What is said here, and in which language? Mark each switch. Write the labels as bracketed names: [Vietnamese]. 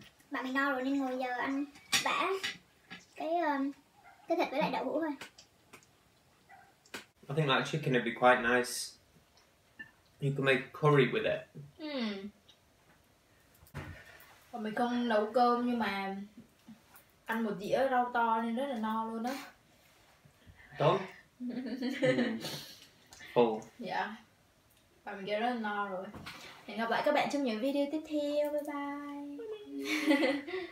[Vietnamese] Bạn mình no rồi nên ngồi giờ ăn vã cái thịt với lại đậu hũ thôi. [English] I think like chicken would be quite nice. You can make curry with it. Hmm. [Vietnamese] Còn mình không nấu cơm nhưng mà ăn một dĩa rau to nên rất là no luôn á. Đúng. [English] Full. Yeah. [Vietnamese] Bạn mình kia rất là no rồi. Hẹn gặp lại các bạn trong những video tiếp theo. Bye bye.